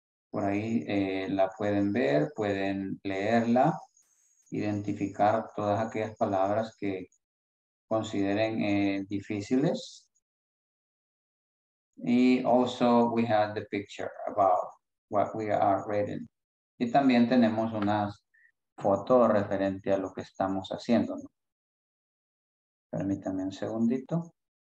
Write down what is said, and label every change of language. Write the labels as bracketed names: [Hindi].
[Spanish] Por ahí la pueden ver, pueden leerla, identificar todas aquellas palabras que consideren difíciles. [English] Y also we have the picture about what we are reading. [Spanish] Y también tenemos unas fotos referente a lo que estamos haciendo, ¿no? Permítanme un segundito.